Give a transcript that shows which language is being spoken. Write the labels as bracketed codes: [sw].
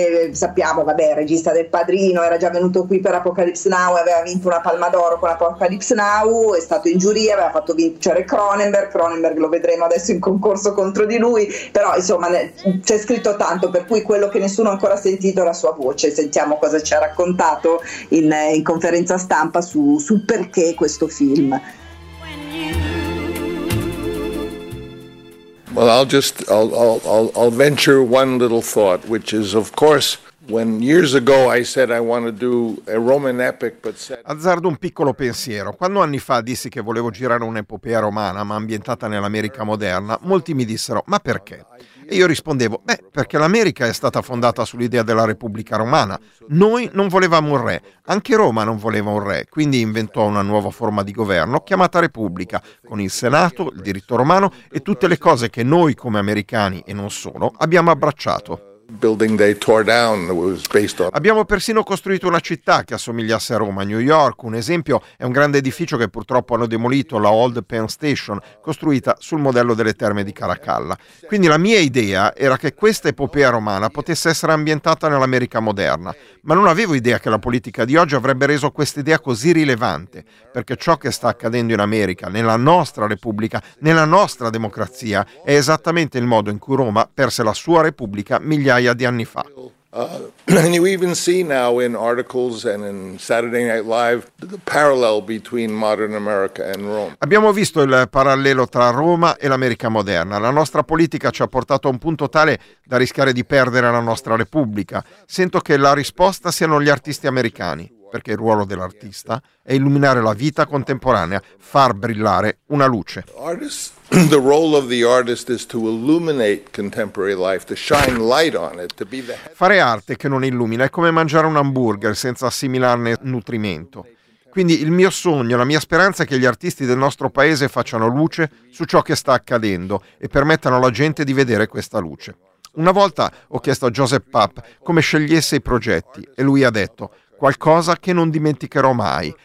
[it] sappiamo, vabbè, regista del Padrino, era già venuto qui per Apocalypse Now, aveva vinto una Palma d'Oro con Apocalypse Now, è stato in giuria, aveva fatto vincere Cronenberg lo vedremo adesso in concorso contro di lui, però insomma c'è scritto tanto, per cui quello che nessuno ha ancora sentito è la sua voce, sentiamo cosa ci ha raccontato in conferenza stampa su perché questo film. [en] Well, I'll venture one little thought, which is of course when years ago I said I want to do a Roman epic but said... [it] Azzardo un piccolo pensiero. Quando anni fa dissi che volevo girare un'epopea romana ma ambientata nell'America moderna, molti mi dissero: "Ma perché?" E io rispondevo: "Beh, perché l'America è stata fondata sull'idea della Repubblica Romana. Noi non volevamo un re, anche Roma non voleva un re, quindi inventò una nuova forma di governo chiamata Repubblica, con il Senato, il diritto romano e tutte le cose che noi come americani e non solo abbiamo abbracciato. [en] Building they tore down was based on... [it] Abbiamo persino costruito una città che assomigliasse a Roma, New York. Un esempio è un grande edificio che purtroppo hanno demolito, la Old Penn Station, costruita sul modello delle terme di Caracalla. Quindi la mia idea era che questa epopea romana potesse essere ambientata nell'America moderna. Ma non avevo idea che la politica di oggi avrebbe reso questa idea così rilevante. Perché ciò che sta accadendo in America, nella nostra Repubblica, nella nostra democrazia, è esattamente il modo in cui Roma perse la sua Repubblica migliaia di anni fa. [en] And you even see now in articles and in Saturday Night Live the parallel between modern America and Rome. [it] Abbiamo visto il parallelo tra Roma e l'America moderna. La nostra politica ci ha portato a un punto tale da rischiare di perdere la nostra Repubblica. Sento che la risposta siano gli artisti americani. perché il ruolo dell'artista è illuminare la vita contemporanea, far brillare una luce. [en] The role of the artist is to illuminate contemporary life, to shine light on it, to be the head. [it] Fare arte che non illumina è come mangiare un hamburger senza assimilarne nutrimento. Quindi il mio sogno, la mia speranza è che gli artisti del nostro paese facciano luce su ciò che sta accadendo e permettano alla gente di vedere questa luce. Una volta ho chiesto a Joseph Papp come scegliesse i progetti e lui ha detto qualcosa che non dimenticherò mai.